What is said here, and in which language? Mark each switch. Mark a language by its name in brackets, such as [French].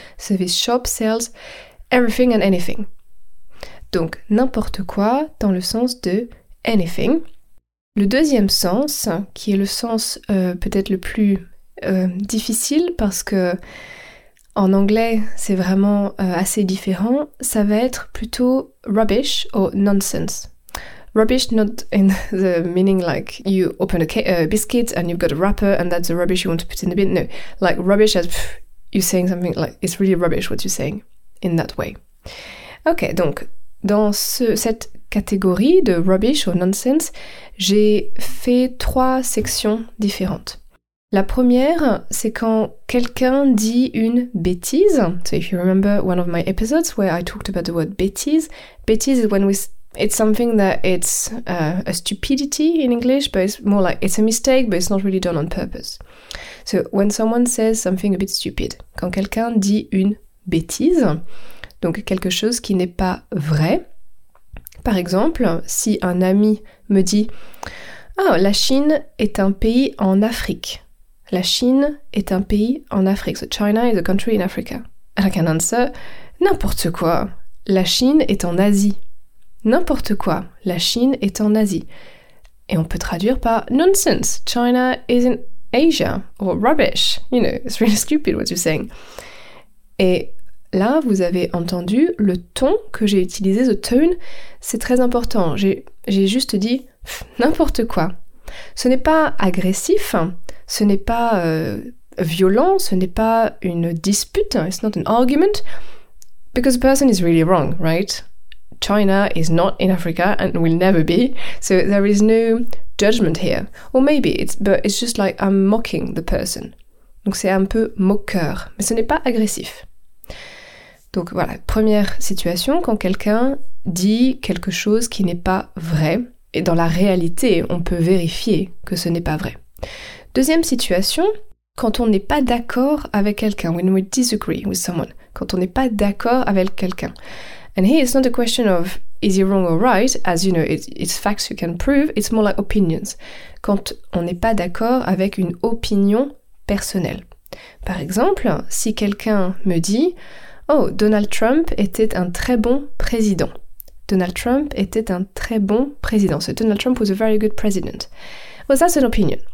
[English] So this shop sells everything and anything. [French] Donc, n'importe quoi dans le sens de anything. Le deuxième sens, qui est le sens peut-être le plus difficile parce que en anglais, c'est vraiment assez différent, ça va être plutôt rubbish ou nonsense. [English] Rubbish, not in the meaning like you open a biscuit and you've got a wrapper and that's the rubbish you want to put in the bin. No, like rubbish as you're saying something like it's really rubbish what you're saying in that way. [French] Ok, donc dans cette catégorie de rubbish ou nonsense, j'ai fait trois sections différentes. La première, c'est quand quelqu'un dit une bêtise. [English] So if you remember one of my episodes where I talked about the word bêtise, bêtise is when it's something that it's a stupidity in English, but it's more like it's a mistake, but it's not really done on purpose. So when someone says something a bit stupid, [French] quand quelqu'un dit une bêtise, donc quelque chose qui n'est pas vrai. Par exemple, si un ami me dit « Ah, oh, la Chine est un pays en Afrique. La Chine est un pays en Afrique. [English] So China is a country in Africa. » And I can answer « N'importe quoi. [French] La Chine est en Asie. » N'importe quoi, la Chine est en Asie. Et on peut traduire par [English] nonsense, China is in Asia, or rubbish, you know, it's really stupid what you're saying. [French] Et là, vous avez entendu le ton que j'ai utilisé, the tone, c'est très important. J'ai juste dit n'importe quoi. Ce n'est pas agressif, ce n'est pas violent, ce n'est pas une dispute, [English] it's not an argument, because the person is really wrong, right? China is not in Africa and will never be, so there is no judgment here. Or maybe it's, but it's just like I'm mocking the person. [French] Donc c'est un peu moqueur, mais ce n'est pas agressif. Donc voilà, première situation, quand quelqu'un dit quelque chose qui n'est pas vrai, et dans la réalité, on peut vérifier que ce n'est pas vrai. Deuxième situation, quand on n'est pas d'accord avec quelqu'un, [English] when we disagree with someone, [French] quand on n'est pas d'accord avec quelqu'un. [English] And here it's not a question of is he wrong or right, as you know, it's facts you can prove, it's more like opinions. [French] Quand on n'est pas d'accord avec une opinion personnelle. Par exemple, si quelqu'un me dit « Oh, Donald Trump était un très bon président. » Donald Trump était un très bon président. [English] So Donald Trump was a very good president. Well, that's an opinion.